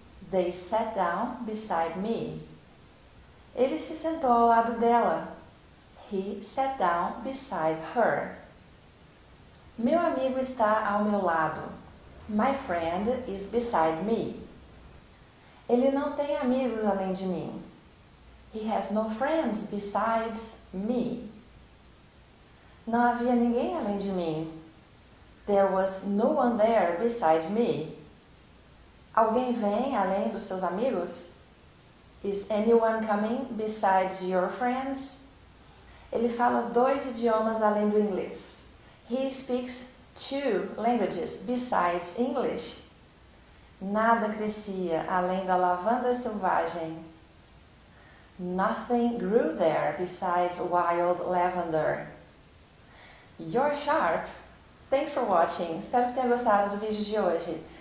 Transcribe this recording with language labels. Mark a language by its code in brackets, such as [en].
[en] They sat down beside me. [pt] Ele se sentou ao lado dela. [en] He sat down beside her. [pt] Meu amigo está ao meu lado. [en] My friend is beside me. [pt] Ele não tem amigos além de mim. [en] He has no friends besides me. [pt] Não havia ninguém além de mim. [en] There was no one there besides me. [pt] Alguém vem além dos seus amigos? [en] Is anyone coming besides your friends? [pt] Ele fala dois idiomas além do inglês. [en] He speaks two languages besides English. [pt] Nada crescia além da lavanda selvagem. [en] Nothing grew there besides wild lavender. You're sharp! Thanks for watching! [pt] Espero que tenha gostado do vídeo de hoje.